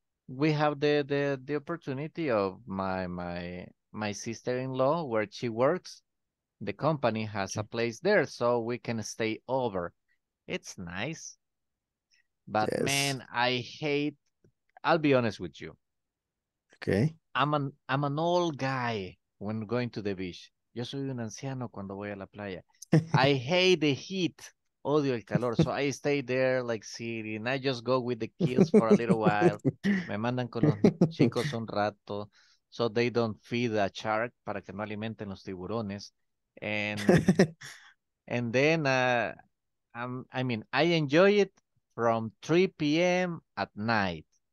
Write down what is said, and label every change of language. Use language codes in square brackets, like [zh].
[en] We have the opportunity of my sister-in-law, where she works. The company has a place there, so we can stay over. It's nice. But yes. Man, I hate, I'll be honest with you. Okay. I'm an old guy when going to the beach. [es] Yo soy un anciano cuando voy a la playa. [en] I hate the heat. [es] Odio el calor, [en] so I stay there like sitting. I just go with the kids for a little while. [es] Me mandan con los chicos un rato, [en] so they don't feed a shark, [es] para que no alimenten los tiburones. [en] And then, I enjoy it from 3 p.m. at night.